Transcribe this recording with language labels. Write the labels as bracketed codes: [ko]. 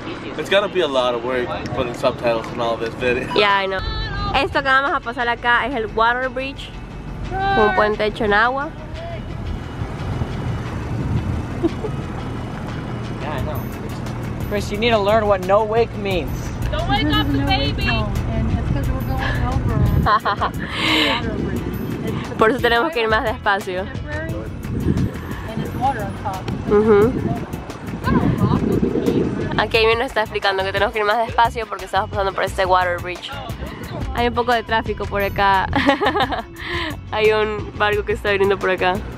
[en] he's. It's gotta be a lot of work putting subtitles on all this video. Yeah, I know. [es] Esto que vamos a pasar acá es el Water Bridge. Un puente hecho en agua. [en] Yeah, I know. Chris, you need to learn what no wake means. Don't wake up the baby. And it's because we're going over. [es] Por eso tenemos que ir más despacio. Uh-huh. Aquí alguien nos está explicando que tenemos que ir más despacio porque estamos pasando por este water bridge. Hay un poco de tráfico por acá. Hay un barco que está viniendo por acá.